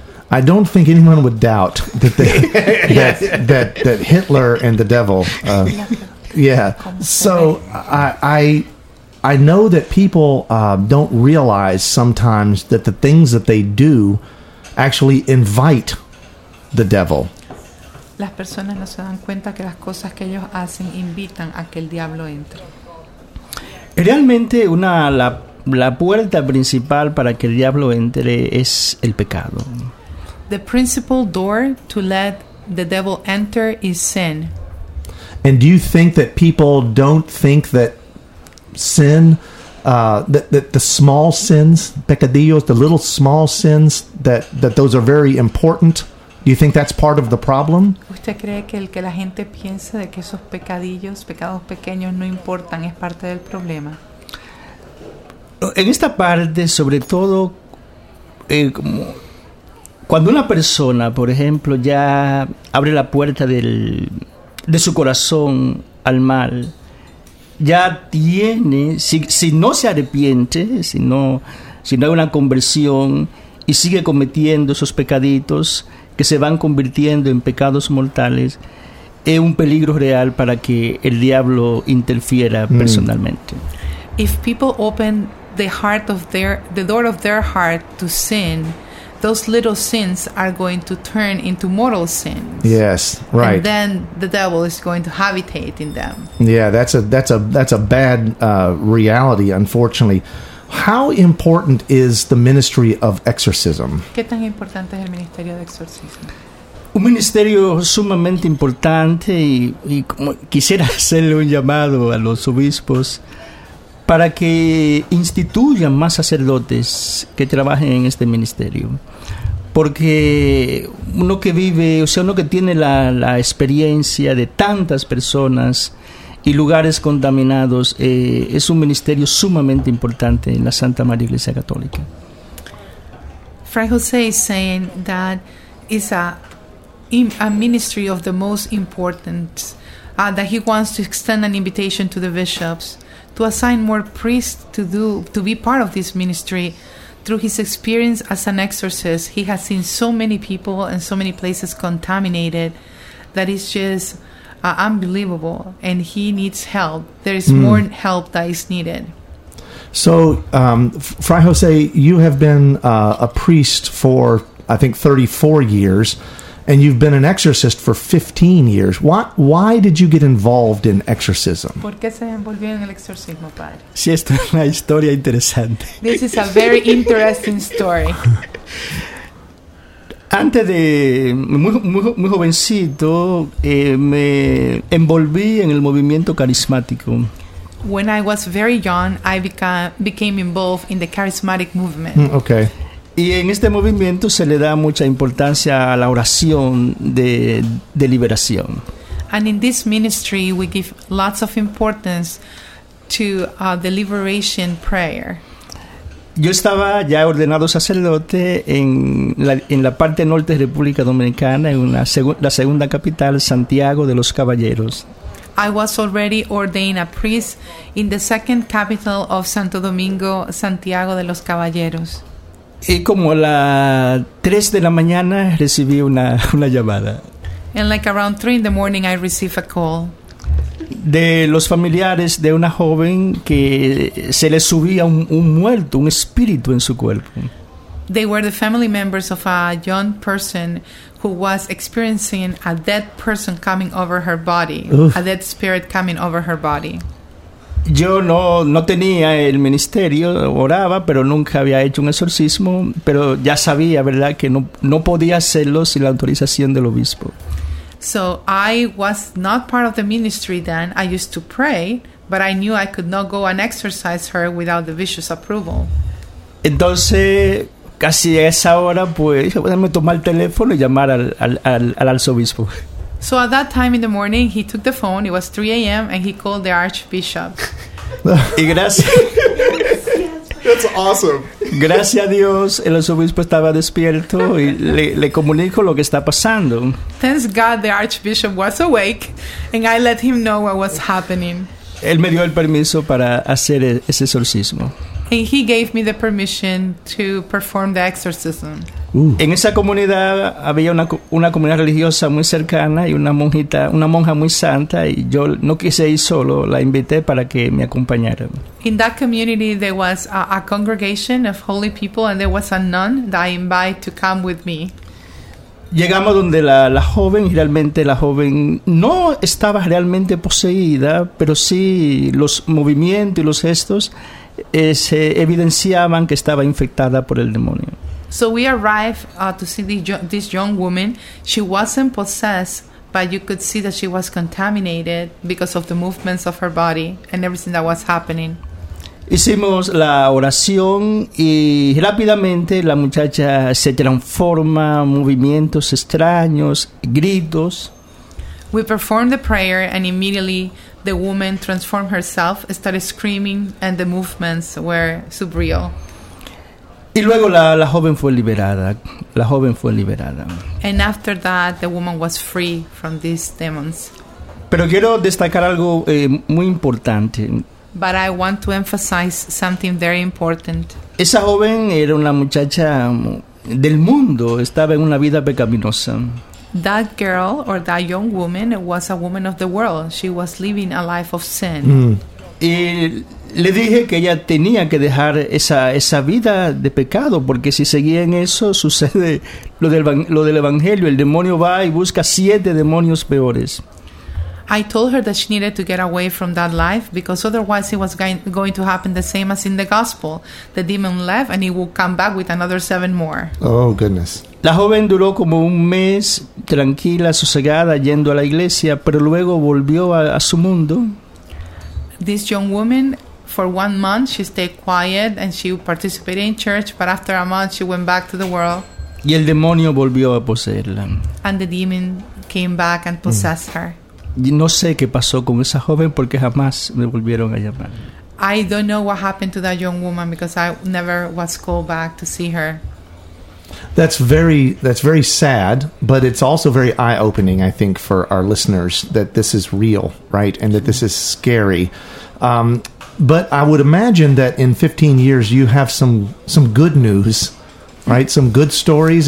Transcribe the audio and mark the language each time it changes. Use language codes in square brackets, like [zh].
[en] I don't think anyone would doubt that that Hitler and the devil. Yeah. So I know that people don't realize sometimes that the things that they do actually invite the devil. [es] Las personas no se dan cuenta que las cosas que ellos hacen invitan a que el diablo entre. Realmente la puerta principal para que el diablo entre es el pecado. [en] The principal door to let the devil enter is sin. And do you think that people don't think that sin, that the small sins, pecadillos, the little small sins, that those are very important? Do you think that's part of the problem? [es] ¿Usted cree que el que la gente piense de que esos pecadillos, pecados pequeños, no importan, es parte del problema? En esta parte, sobre todo, cuando una persona, por ejemplo, ya abre la puerta de su corazón al mal, ya tiene, si no se arrepiente, si no hay una conversión y sigue cometiendo esos pecaditos que se van convirtiendo en pecados mortales, es un peligro real para que el diablo interfiera personalmente. [en] If people open the heart of their the door of their heart to sin, those little sins are going to turn into mortal sins. Yes, right. And then the devil is going to habitate in them. Yeah, that's a bad reality, unfortunately. How important is the ministry of exorcism? [es] ¿Qué tan importante es el ministerio de exorcismo? Un ministerio sumamente importante y como quisiera hacerle un llamado a los obispos para que instituyan más sacerdotes que trabajen en este ministerio. Porque uno que vive, o sea, uno que tiene la experiencia de tantas personas y lugares contaminados, es un ministerio sumamente importante en la Santa María Iglesia Católica. [en] Fray José is saying that it's a ministry of the most important, that he wants to extend an invitation to the bishops to assign more priests to be part of this ministry. Through his experience as an exorcist, he has seen so many people and so many places contaminated that it's just unbelievable, and he needs help. There is more help that is needed. So, Fray Jose, you have been a priest for, I think, 34 years, and you've been an exorcist for 15 years. Why did you get involved in exorcism? [es] ¿Por qué se envolvió en el exorcismo, padre? Sí, esta es una historia interesante. [en] This is a very interesting story. [es] Antes de, muy jovencito, me envolví en el movimiento carismático. [en] When I was very young, I became involved in the charismatic movement. Okay. [es] Y en este movimiento se le da mucha importancia a la oración de liberación. [en] And in this ministry we give lots of importance to the liberation prayer. [es] Yo estaba ya ordenado sacerdote en la parte norte de República Dominicana, en la segunda capital, Santiago de los Caballeros. [en] I was already ordained a priest in the second capital of Santo Domingo, Santiago de los Caballeros. [es] Y como a las 3 de la mañana recibí una llamada. [en] And like around 3 in the morning I received a call. [es] De los familiares de una joven que se le subía un muerto, un espíritu en su cuerpo. [en] They were the family members of a young person who was experiencing a dead person coming over her body. Oof. A dead spirit coming over her body. [es] Yo no tenía el ministerio, oraba, pero nunca había hecho un exorcismo, pero ya sabía, ¿verdad?, que no podía hacerlo sin la autorización del obispo. [en] So I was not part of the ministry then. I used to pray, but I knew I could not go and exorcise her without the bishop's approval. [es] Entonces, casi a esa hora, pues, déjame tomar el teléfono y llamar al arzobispo. [en] So at that time in the morning, he took the phone. It was 3 a.m. and he called the archbishop. [es] Y gracias. [en] That's awesome. [es] Gracias a Dios, el arzobispo estaba despierto y le comunico lo que está pasando. [en] Thanks God, the archbishop was awake, and I let him know what was happening. [es] Él me dio el permiso para hacer ese exorcismo. [en] And he gave me the permission to perform the exorcism. [es] En esa comunidad había una comunidad religiosa muy cercana y una monja muy santa, y yo no quise ir solo, la invité para que me acompañara. [en] In that community there was a congregation of holy people and there was a nun that I invited to come with me. [es] Llegamos donde la joven, y realmente la joven no estaba realmente poseída, pero sí los movimientos y los gestos se evidenciaban que estaba infectada por el demonio. [en] So we arrived to see this young woman. She wasn't possessed, but you could see that she was contaminated because of the movements of her body and everything that was happening. [es] Hicimos la oración y rápidamente la muchacha se transforma, movimientos extraños, gritos. [en] We performed the prayer and immediately the woman transformed herself, started screaming, and the movements were surreal. [es] Y luego la joven fue liberada. La joven fue liberada. [en] And after that, the woman was free from these demons. [es] Pero quiero destacar algo muy importante. [en] But I want to emphasize something very important. [es] Esa joven era una muchacha del mundo. Estaba en una vida pecaminosa. [en] that girl or that young woman was a woman of the world. She was living a life of sin. Mm. [es] Y le dije que ella tenía que dejar esa vida de pecado, porque si seguía en eso, sucede lo del evangelio. El demonio va y busca siete demonios peores. [en] I told her that she needed to get away from that life, because otherwise it was going to happen the same as in the gospel. The demon left and he will come back with another seven more. Oh, goodness. [es] La joven duró como un mes tranquila, sosegada, yendo a la iglesia, pero luego volvió a su mundo. [en] This young woman, for 1 month, she stayed quiet and she participated in church, but after a month, she went back to the world. [es] Y el demonio volvió a poseerla. [en] And the demon came back and possessed her. [es] Y no sé qué pasó con esa joven porque jamás me volvieron a llamar. [en] I don't know what happened to that young woman because I never was called back to see her. That's very sad, but it's also very eye-opening, I think, for our listeners, that this is real, right? And that this is scary. But I would imagine that in 15 years you have some good news, right? Some good stories.